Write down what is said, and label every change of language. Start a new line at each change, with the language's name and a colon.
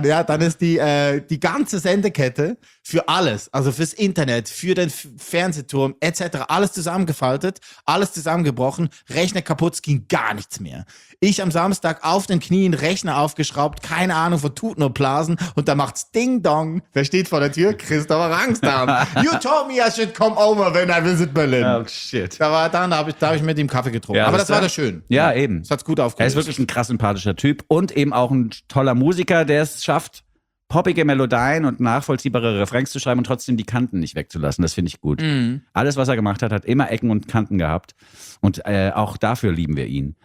German: Dann ist die ganze Sendekette für alles, also fürs Internet, für den Fernsehturm etc. alles zusammengefaltet, alles zusammengebrochen, Rechner kaputt, ging gar nichts mehr. Ich am Samstag auf den Knien, Rechner aufgeschraubt, keine Ahnung von Tuten und Blasen und da macht's Ding Dong, wer steht vor der Tür? Christopher Angstarm.
English: You told me I should come over when I visit Berlin. Oh shit.
German: Da habe ich mit ihm Kaffee getrunken. Ja, aber das war da schön. Ja, eben. Das hat's gut aufgehört. Er ist wirklich ein krass sympathischer Typ und eben auch ein toller Musiker, der es schafft, poppige Melodien und nachvollziehbare Refrains zu schreiben und trotzdem die Kanten nicht wegzulassen. Das finde ich gut. Mhm. Alles, was er gemacht hat, hat immer Ecken und Kanten gehabt. Und auch dafür lieben wir ihn.